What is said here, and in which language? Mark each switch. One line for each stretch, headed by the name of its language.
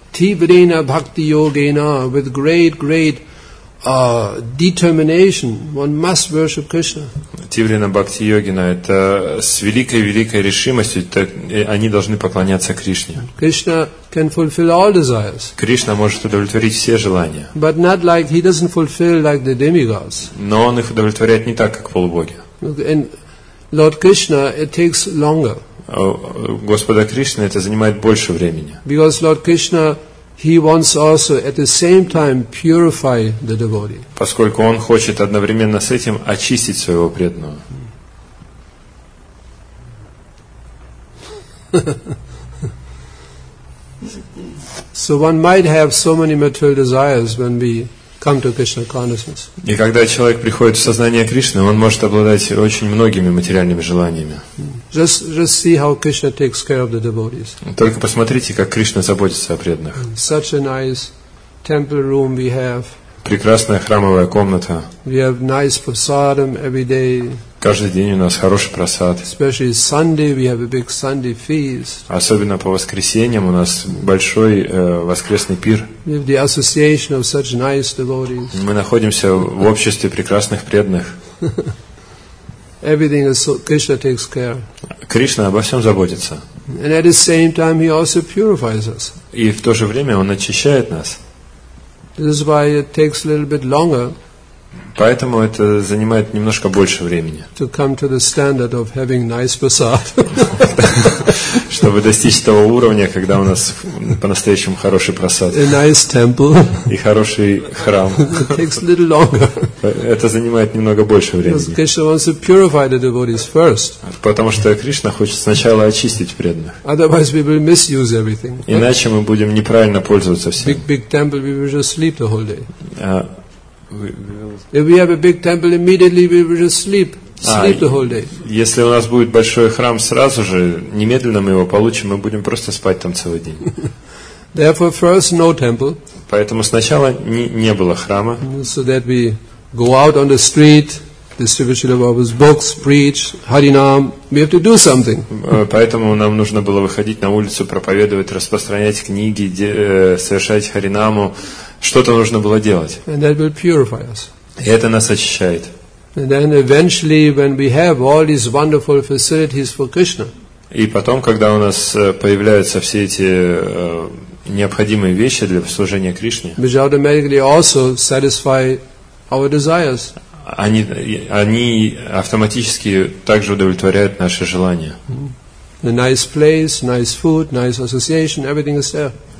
Sanskrit: Тибрина бхакти йогена
English: with great determination, one must worship Krishna.
Sanskrit: Тиврина бхакти йогина
Russian: это с великой решимостью, так они должны поклоняться Кришне.
English: Krishna can fulfill all desires.
Russian: Кришна может удовлетворить все желания.
English: But not like he doesn't fulfill like the demigods.
Russian: Но он их удовлетворяет не так, как полубоги.
English: And Lord Krishna, it takes longer.
Russian: Господа Кришна это занимает больше времени.
English: Because Lord Krishna He wants also at the same time purify the devotee.
Russian: Поскольку он хочет одновременно с этим очистить своего преданного.
English: So one might have so many material desires when we come to Krishna consciousness.
Russian: И когда человек приходит в сознание Кришны, он может обладать очень многими материальными желаниями.
English: Just see how Krishna takes care of the devotees.
Russian: Только посмотрите, как Кришна заботится о преданных.
English: Such a nice temple room we have.
Russian: Прекрасная храмовая комната.
English: We have nice prasadam every day.
Russian: Каждый день у нас хороший просад.
English: Especially Sunday we have a big Sunday feast.
Russian: Особенно по воскресеньям у нас большой воскресный пир.
English: We have the association of such nice devotees.
Russian: Мы находимся в обществе прекрасных преданных.
English: Everything is so Krishna takes care.
Russian: Кришна обо всем заботится.
English: And at the same time he also purifies us.
Russian: И в то же время он очищает нас.
English: This is why it takes a little bit longer.
Russian: Поэтому это занимает немножко больше времени.
English: To come to the standard of having nice prasad.
Russian: Чтобы достичь того уровня, когда у нас по-настоящему хороший просад.
English: A nice temple.
Russian: И хороший храм.
English: It takes a little longer.
Russian: Это занимает немного больше времени.
English: Because Krishna wants to purify the devotees first.
Russian: Потому что Кришна хочет сначала очистить преданных.
English: Otherwise we will misuse everything.
Russian: Иначе мы будем неправильно пользоваться всем.
English: Big temple, we will just sleep the whole day. If we have a big temple, immediately we will just sleep the whole day.
Russian: Если у нас будет большой храм, сразу же немедленно мы его получим, мы будем просто спать там целый день.
English: Therefore, first no temple.
Russian: Поэтому сначала не было храма.
English: So that we go out on the street, distribute our books, preach Харинам. We have to do something.
Russian: Поэтому нам нужно было выходить на улицу, проповедовать, распространять книги, совершать Харинаму. Что-то нужно было делать.
English: And that will purify us.
Russian: И это нас очищает.
English: And then eventually, when we have all these wonderful facilities for Krishna.
Russian: И потом, когда у нас появляются все эти необходимые вещи для служения Кришне.
English: Which automatically also satisfy our desires.
Russian: Они автоматически также удовлетворяют наши желания.
English: A nice place, nice food, nice association, everything is there.